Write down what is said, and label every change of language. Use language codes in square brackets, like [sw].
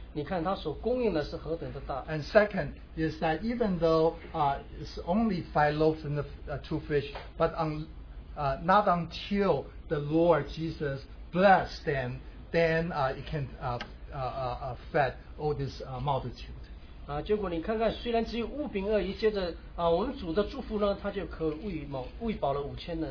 [zh] 就是这小小的五饼二鱼呢，如果我们愿意把它分享出来呢，你看它所供应的是何等的大。 [en] And second is that even though it's only 5 loaves and two fish, but not until the Lord Jesus blessed them, then it can fed all this multitude. [zh] 结果你看看，虽然只有五饼二鱼，接着我们主的祝福呢，他就可喂饱了5,000人。